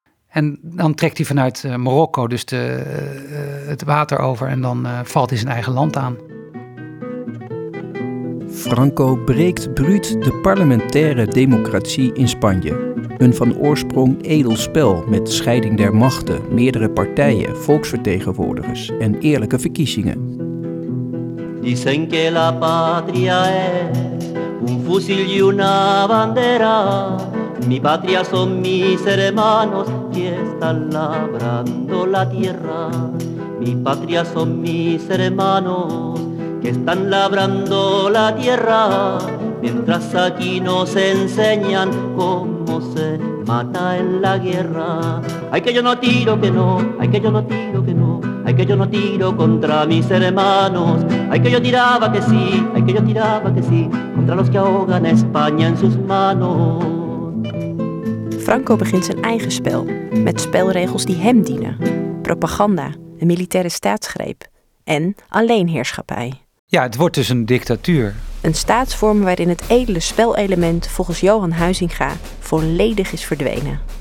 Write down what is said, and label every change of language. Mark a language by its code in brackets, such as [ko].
[nl] En dan trekt hij vanuit Marokko dus het water over en dan valt hij zijn eigen land aan. Franco breekt bruut de parlementaire democratie in Spanje. Een van oorsprong edel spel met scheiding der machten, meerdere partijen, volksvertegenwoordigers en eerlijke verkiezingen. [es] Dicen que la patria es un fusil y una bandera. Mi patria son mis hermanos que están labrando la tierra. Mi patria son mis hermanos que están labrando la tierra. Mientras aquí nos enseñan cómo se mata en la guerra. Ay que yo no tiro que no, ay que yo no tiro que no. Ay que yo no tiro contra mis hermanos. Ay que yo tiraba que sí, ay que yo tiraba que sí. Contra los que ahogan a España en sus manos. [nl] Franco begint zijn eigen spel, met spelregels die hem dienen. Propaganda, een militaire staatsgreep en alleenheerschappij. Ja, het wordt dus een dictatuur. Een staatsvorm waarin het edele spelelement volgens Johan Huizinga volledig is verdwenen.